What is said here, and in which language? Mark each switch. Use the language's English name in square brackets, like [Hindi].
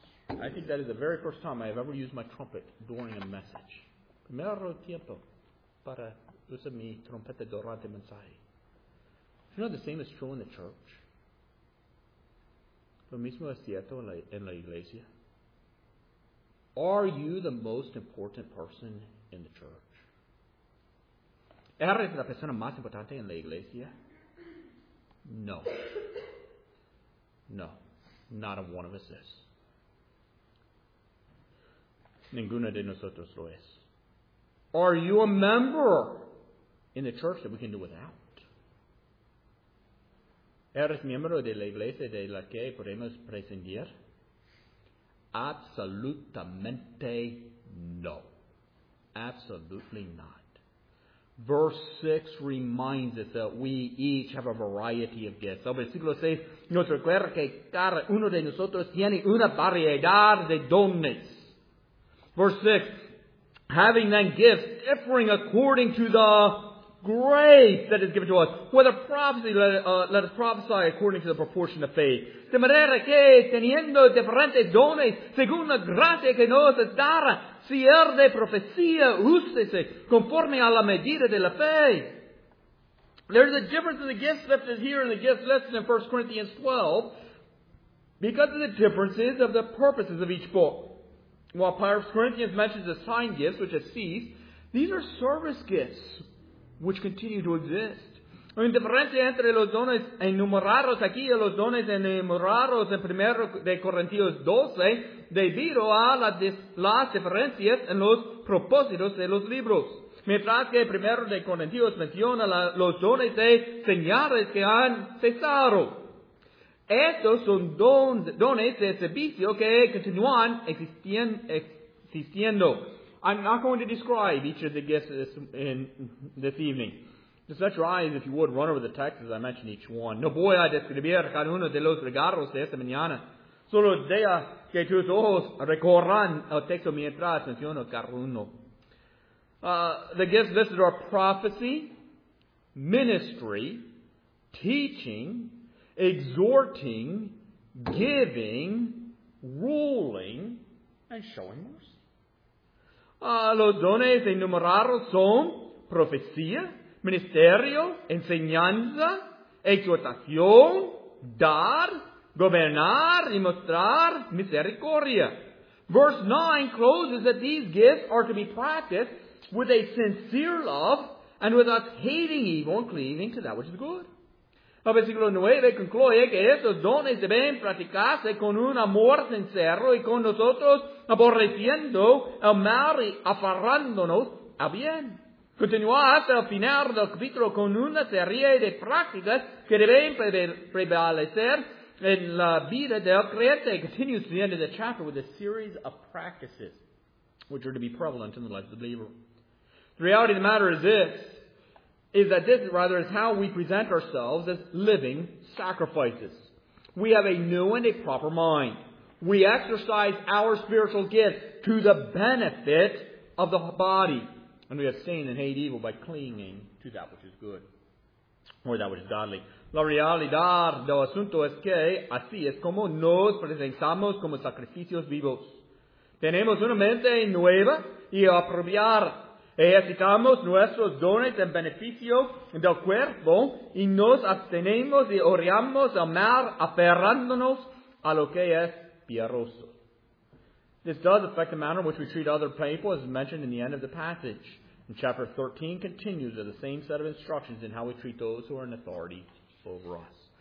[English] I think that is the very first time I have ever used my trumpet during a message. [Spanish] Primero tiempo para usar mi trompeta durante mensaje. [English] You know, the same is true in the church. [Spanish] Lo mismo es cierto en la iglesia. [English] Are you the most important person in the church? [Spanish] ¿Eres la persona más importante en la iglesia? [English] No. No. Not a one of us is. [Spanish] Ninguna de nosotros lo es. [English] Are you a member in the church that we can do without? [Spanish] ¿Eres miembro de la iglesia de la que podemos prescindir? Absolutamente no. [English] Absolutely not. Verse 6 reminds us that we each have a variety of gifts. [Spanish] El versículo 6 nos recuerda que cada uno de nosotros tiene una variedad de dones. [English] Verse 6, having then gifts differing according to the grace that is given to us. Whether prophecy, let us prophesy according to the proportion of faith. [Spanish] De manera que teniendo diferentes dones, según la gracia que nos es dada, si es de profecía, úsese conforme a la medida de la fe. [English] There's a difference in the gifts that is here in the gifts listed in 1 Corinthians 12 because of the differences of the purposes of each book. While 1 Corinthians mentions assigned gifts, which has ceased, these are service gifts, which continue to exist. [Spanish] La diferencia entre los dones enumerados aquí y los dones enumerados en 1 Corintios 12, debido a las diferencias en los propósitos de los libros. Mientras que 1 Corintios menciona los dones de señales que han cesado. Estos son dones de servicio que continúan existiendo. [English] I'm not going to describe each of the gifts this evening. Just let your eyes, if you would, run over the text as I mentioned each one. [Spanish] No voy a describir cada uno de los regalos de esta mañana. Solo deja que tus ojos recorran el texto mientras menciono cada uno. [English] The gifts listed are prophecy, ministry, teaching, exhorting, giving, ruling, and showing mercy. [Spanish] Los dones enumerados son profecía, ministerio, enseñanza, exhortación, dar, gobernar, y mostrar misericordia. [English] Verse 9 closes that these gifts are to be practiced with a sincere love and with us hating evil and cleaving to that which is good. [Spanish] El versículo 9 concluye que estos dones deben practicarse con un amor sincero y con nosotros aborreciendo el mal y aferrándonos al bien. Continuó hasta el final del capítulo con una serie de prácticas que deben prevalecer en la vida del creyente. [English] It continues to the end of the chapter with a series of practices which are to be prevalent in the life of the believer. The reality of the matter is this, is that this, rather, is how we present ourselves as living sacrifices. We have a new and a proper mind. We exercise our spiritual gifts to the benefit of the body. And we abstain and hate evil by clinging to that which is good, or that which is godly. [Spanish] La realidad del asunto es que así es como nos presentamos como sacrificios vivos. Tenemos una mente nueva y apropiada. Ejercitamos nuestros dones en beneficio del cuerpo y nos abstenemos y oramos al mal aferrándonos a lo que es piadoso. [English] This does affect the manner in which we treat other people, as mentioned in the end of the passage. And chapter 13 continues with the same set of instructions in how we treat those who are in authority over us.